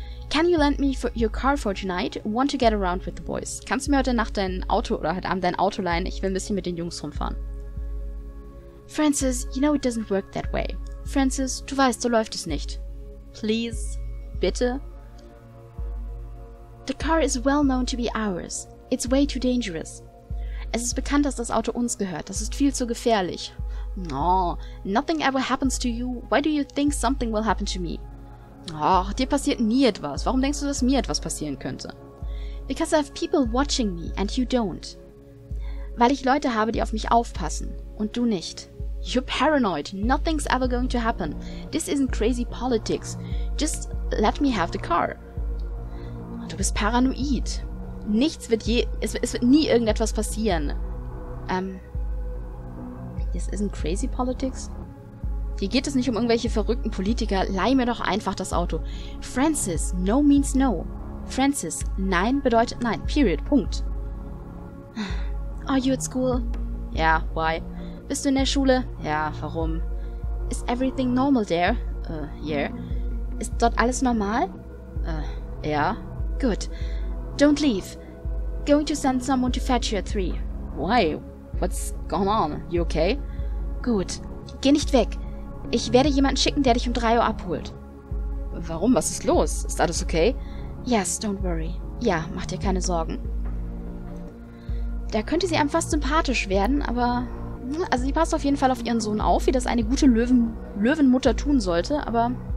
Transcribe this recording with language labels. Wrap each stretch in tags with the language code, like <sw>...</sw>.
<en>Can you lend me your car for tonight? Want to get around with the boys.</en> <de>Kannst du mir heute Nacht dein Auto oder heute Abend dein Auto leihen? Ich will ein bisschen mit den Jungs rumfahren.</de> <en>Francis, you know it doesn't work that way.</en> <de>Francis, du weißt, so läuft es nicht.</de> <en>Please.</en> <de>Bitte.</de> <en>The car is well known to be ours. It's way too dangerous.</en> <de>Es ist bekannt, dass das Auto uns gehört. Das ist viel zu gefährlich.</de> <en>No, nothing ever happens to you. Why do you think something will happen to me?</en> <de>Ach, dir passiert nie etwas. Warum denkst du, dass mir etwas passieren könnte?</de> <en>Because I have people watching me and you don't.</en> <de>Weil ich Leute habe, die auf mich aufpassen und du nicht.</de> <en>You're paranoid. Nothing's ever going to happen. This isn't crazy politics. Just let me have the car.</en> <de>Du bist paranoid. Nichts wird je... Es wird nie irgendetwas passieren.</de> <en>This isn't crazy politics.</en> <de>Hier geht es nicht um irgendwelche verrückten Politiker. Leih mir doch einfach das Auto.</de> <en>Francis, no means no.</en> <de>Francis, nein bedeutet nein.</de> <en>Period.</en> <de>Punkt.</de> <en>Are you at school?</en> <de>Ja,</de> <en>why?</en> <de>Bist du in der Schule? Ja, warum?</de> <en>Is everything normal there? Yeah.</en> <de>Ist dort alles normal? Ja.</de> <en>Good. Don't leave. Going to send someone to fetch you at 3. Why? What's going on? You okay?</en> <de>Gut. Geh nicht weg. Ich werde jemanden schicken, der dich um 3 Uhr abholt. Warum? Was ist los? Ist alles okay?</de> <en>Yes, don't worry.</en> <de>Ja, mach dir keine Sorgen. Da könnte sie einem fast sympathisch werden, aber... Also sie passt auf jeden Fall auf ihren Sohn auf, wie das eine gute Löwenmutter tun sollte, aber...</de>